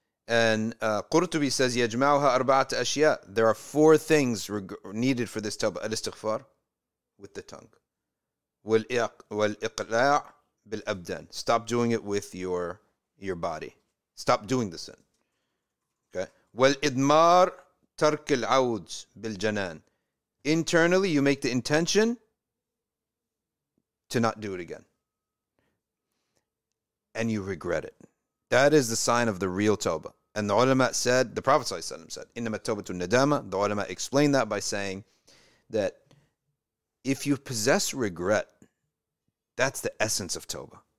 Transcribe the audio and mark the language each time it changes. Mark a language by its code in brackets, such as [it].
[en] And Qurtubi says, [ar] يَجْمَعُهَا أَرْبَعَةَ أَشْيَاءَ. [en] There are four things needed for this tawbah. Al-istighfar, with the tongue. [ar] وَالْإِقْلَاعُ بِالْأَبْدَانِ. [en] Stop doing it with your body. Stop doing the sin. Okay? [ar] وَالْإِدْمَارُ ترك العود بالجنان. [en] Internally, you make the intention to not do it again. And you regret it. That is the sign of the real tawbah. And the ulama said, the Prophet ﷺ said, [ar] إِنَّمَا التَّوْبَةُ النَّدَامَةُ. [en] The ulama explained that by saying that if you possess regret, that's the essence of tawbah.